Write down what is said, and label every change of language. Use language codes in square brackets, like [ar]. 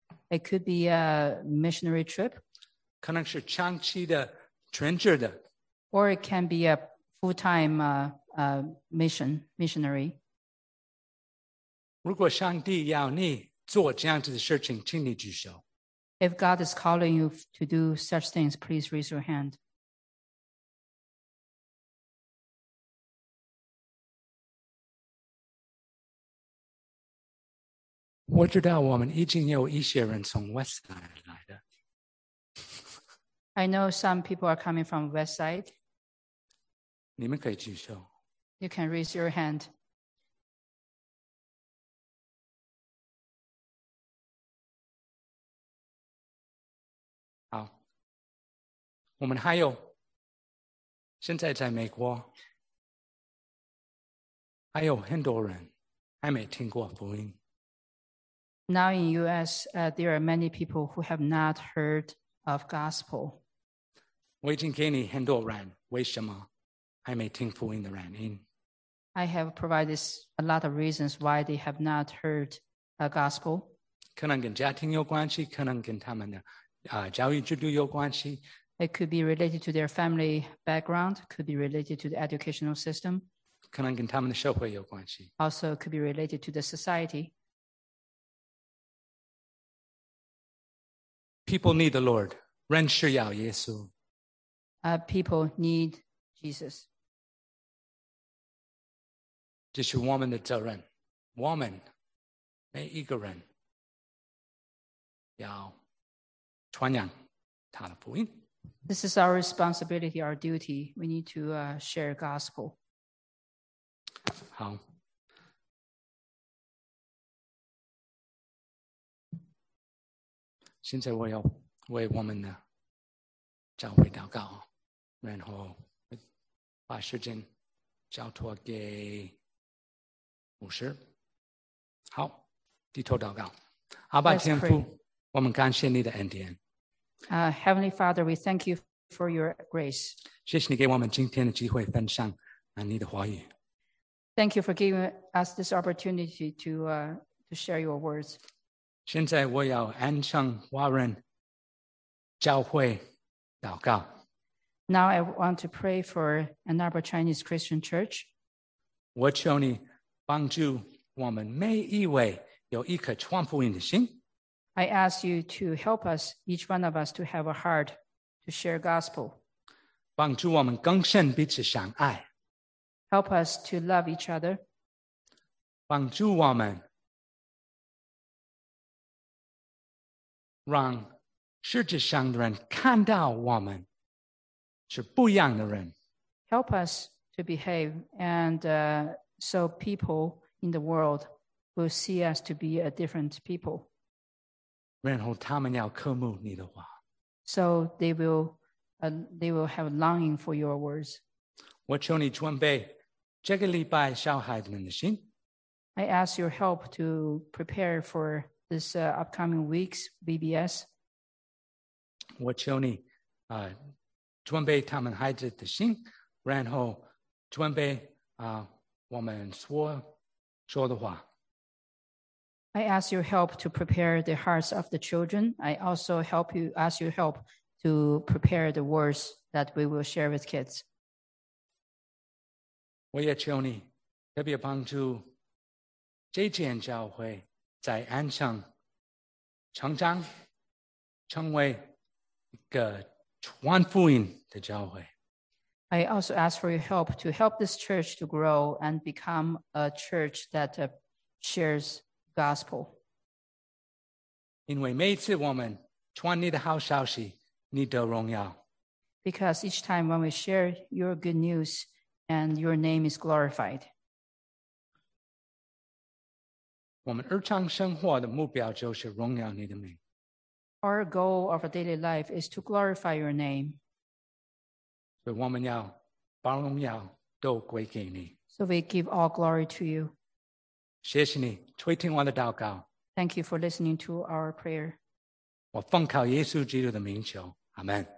[en] It could be a missionary trip. [zh] 可能是长期的全职的。 [en] Or it can be a full-time missionary. [zh] 如果上帝要你做这样子的事情，请你举手。 [en] If God is calling you to do such things, please raise your hand. [zh] 我知道我们已经有一些人从 West Side 来的。 [en] I know some people are coming from West Side. [zh] 你们可以举手。 [en] You can raise your hand. [zh] 好，我们还有，现在在美国，还有很多人还没听过福音。 [en] Now in U.S., there are many people who have not heard of gospel. [zh] 我已经给你很多人，为什么还没听福音的原因。 [en] I have provided a lot of reasons why they have not heard the gospel. [zh] 可能跟家庭有关系，可能跟他们的教育制度有关系。 [en] It could be related to their family background, could be related to the educational system. [zh] 可能跟他们的社会有关系。 [en] Also could be related to the society. People need the Lord. [zh] 人需要耶稣。 [en] People need Jesus. [zh] 这是我们的责任。我们每一个人要传扬他的福音。 [en] This is our responsibility, our duty. We need to share gospel. [zh] 好。现在我要为我们的教会祷告，然后把时间交托给牧师。好，低头祷告。阿爸天父，我们感谢你的恩典。 [en] Heavenly Father, we thank you for your grace. [zh] 谢谢你给我们今天的机会分享你的话语。 [en] Thank you for giving us this opportunity to share your words. [zh] 现在我要安上华人教会祷告。 [en] Now I want to pray for Ann Arbor Chinese Christian Church. [zh] 我求你帮助我们每一位有一颗传福音的心。 [en] I ask you to help us, each one of us, to have a heart to share gospel. [zh] 帮助我们更深彼此相爱。 [en] Help us to love each other. [zh] 帮助我们让世界上的人看到我们是不一样的人。 [en] Help us to behave, and so people in the world will see us to be a different people. [zh] 然后他们要渴慕你的话。 [en] So they will have longing for your words. [zh] 我求你准备这个礼拜小孩子们的心。 [en] I ask your help to prepare for. This upcoming week's VBS. [zh] 我求你准备他们孩子的心，然后准备我们说的话。 [en] I ask your help to prepare the hearts of the children. I also ask your help to prepare the words that we will share with kids. [zh] 我也求你特别帮助这间教会在安上成长，成为一个传福音的教会。 [en] I also ask for your help to help this church to grow and become a church that shares gospel. [zh] 因为每次我们传你的好消息，你得荣耀。 [en] Because each time when we share your good news and your name is glorified. [zh] 我们日常生活的目标就是荣耀你的名。 [en] Our goal of our daily life is to glorify your name. [zh] 所以我们要把荣耀都归给你。 [en] So we give all glory to you. [zh] 谢谢你垂听我的祷告。 [en] Thank you for listening to our prayer. [zh] 我奉靠耶稣基督的名求，阿门。